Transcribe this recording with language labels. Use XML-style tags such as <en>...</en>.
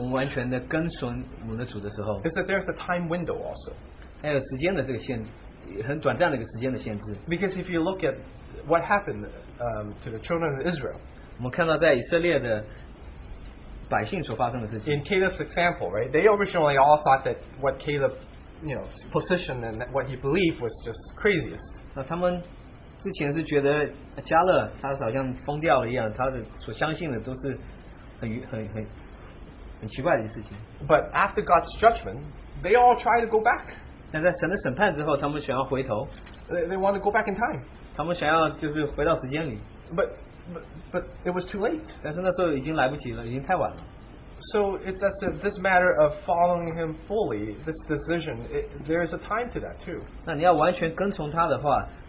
<zh>还有一件事情我想提到，是我们完全的跟随我们的主的时候。</zh> <en>Is that there's a time window also.</en> <zh>还有时间的这个限制。很短暂的一个时间的限制.</zh> <en>Because if you look at what happened to the children of Israel,</en> <zh>我们看到在以色列的百姓所发生的事情.</zh> <en>In Caleb's example, right? They originally all thought that what Caleb, you know, position and what he believed was just craziest.</en> <zh>那他们之前是觉得加勒他好像疯掉了一样，他的所相信的都是很奇怪的事情.</zh> <en>But after God's judgment, they all try to go back.</en> <zh>但在神的审判之后，他们想要回头。</zh> <en>They want to go back in time.</en> <zh>他们想要就是回到时间里。</zh> <en>But it was too late.</en> <zh>但是那时候已经来不及了，已经太晚了。</zh> <en>So it's as if this matter of following him fully, this decision, there is a time to that too.</en> <zh>那你要完全跟从他的话,</zh>